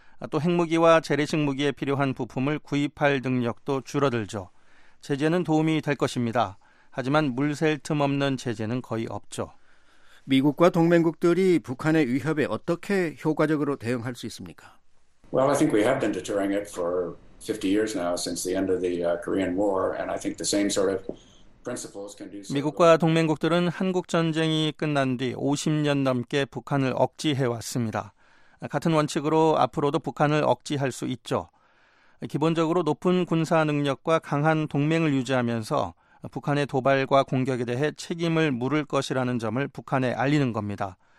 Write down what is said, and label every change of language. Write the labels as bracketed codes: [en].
[ko] 또 핵무기와 재래식 무기에 필요한 부품을 구입할 능력도 줄어들죠. 제재는 도움이 될 것입니다. 하지만 물샐 틈 없는 제재는 거의 없죠. 미국과 동맹국들이 북한의 위협에 어떻게 효과적으로 대응할 수 있습니까? [en] Well, I think we have been deterring it for 50 years now since the end of the Korean War, and I think the same sort of principles can do so. [ko] 미국과 동맹국들은 한국 전쟁이 끝난 뒤 50년 넘게 북한을 억지해 왔습니다. 같은 원칙으로 앞으로도 북한을 억지할 수 있죠. 기본적으로 높은 군사 능력과 강한 동맹을 유지하면서 북한의 도발과 공격에 대해 책임을 물을 것이라는 점을 북한에 알리는 겁니다.